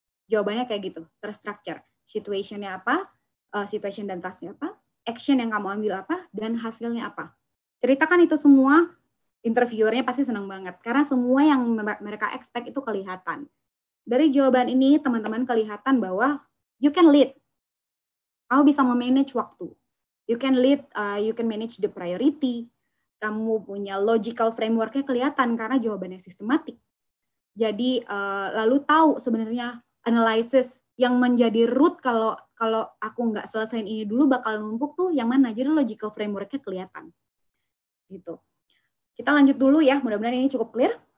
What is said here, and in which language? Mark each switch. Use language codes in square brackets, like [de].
[id] Jawabannya kayak gitu, terstructure. Situation-nya apa? Situation dan task-nya apa, action yang kamu ambil apa, dan hasilnya apa. Ceritakan itu semua, interviewernya pasti senang banget, karena semua yang mereka expect itu kelihatan. Dari jawaban ini, teman-teman kelihatan bahwa [en] you can lead. [id] Kamu bisa memanage waktu. [en] You can lead, you can manage the priority. [id] Kamu punya logical framework-nya kelihatan, karena jawabannya sistematik. Jadi, lalu tahu sebenarnya analysis yang menjadi root kalau aku nggak selesain ini dulu bakal numpuk tuh yang mana, jadi logical framework-nya kelihatan. Gitu. Kita lanjut dulu ya, mudah-mudahan ini cukup clear.